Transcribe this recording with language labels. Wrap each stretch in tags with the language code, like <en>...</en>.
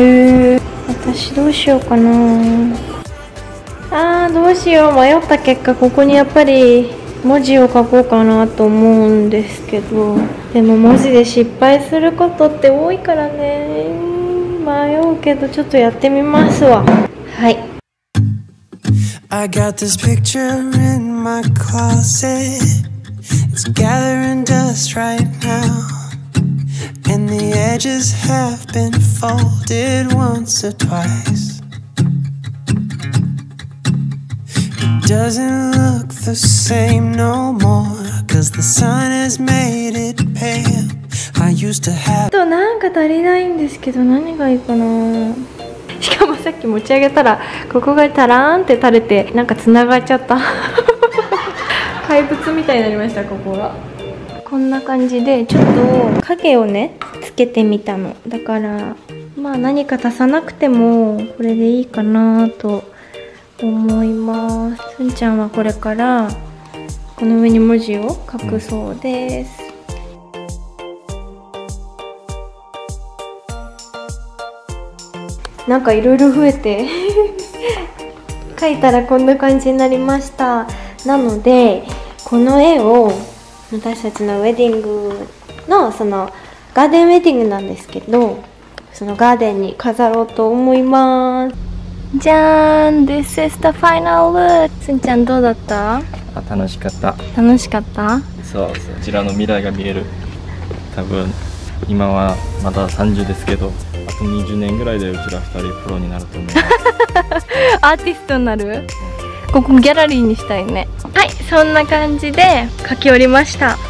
<ja>へー、私どうしようかなー。あー、どうしよう。迷った結果、ここにやっぱり文字を書こうかなと思うんですけど、でも文字で失敗することって多いからね、迷うけどちょっとやってみますわ。はい。</ja> <en>I got this picture in my closet. It's gathering dust right now. And the edges have been folded once or twice. Doesn't look the same no more, 'cause the sun has made it pale. I used to have.</en> <ja>となんか足りないんですけど、何がいいかな。しかもさっき持ち上げたらここがタラーンって垂れて、なんか繋がっちゃった。怪物みたいになりました、ここが。こんな感じでちょっと影をねつけてみたの。だからまあ何か足さなくてもこれでいいかなと。思います。すんちゃんはこれからこの上に文字を書くそうです。なんかいろいろ増えて書いたらこんな感じになりました。なのでこの絵を私たちのウェディングの、そのガーデンウェディングなんですけど、そのガーデンに飾ろうと思います。じゃーん、</ja> <en>This is the final look!</en> <ja>すんちゃんどうだった？あ、楽しかった。楽しかった？そう、そちらの未来が見える。多分、今はまだ30ですけど、あと20年ぐらいでうちら2人プロになると思います。アーティストになる？ここギャラリーにしたいね。はい、そんな感じで描き終わりました。</ja>